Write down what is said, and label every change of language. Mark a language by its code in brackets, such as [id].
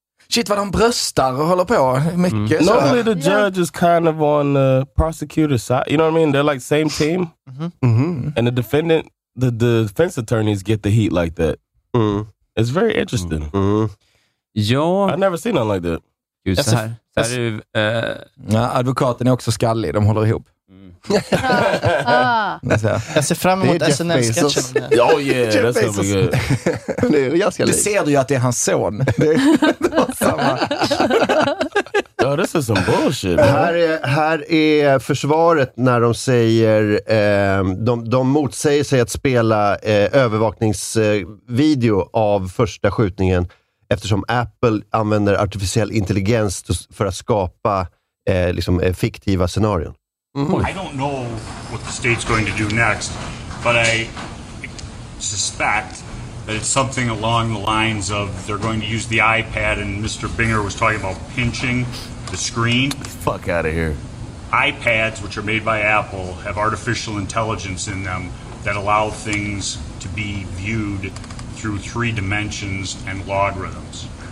[sv] Shit, vad de bröstar och håller på mycket. Mm. [en] Normally the judge is kind of on the prosecutor's side. You know what I mean? They're like same team. Mm-hmm. And the defendant, the defense attorneys get the heat like that. Mm. It's very interesting. Mm. [sv] Ja. [en] I've never seen nothing like that. [sv] Gud, så här är advokaten är också skallig. De håller ihop. Jag ser fram emot SNL-sketchen. [en] Oh yeah, that's gonna be good. [sv] Det är ganska likt. Det ser du ju att det är hans son. [en] Ja, this is some bullshit. [sv] Här är försvaret när de säger de motsäger sig att spela övervakningsvideo av första skjutningen eftersom Apple använder artificiell intelligens för att skapa fiktiva scenarion. [en] Mm-hmm. I don't know what the state's going to do next, but I suspect that it's something along the lines of they're going to use the iPad, and Mr. Binger was talking about pinching the screen. Get the fuck out of here. iPads, which are made by Apple, have artificial intelligence in them that allow things to be viewed through three dimensions and logarithms.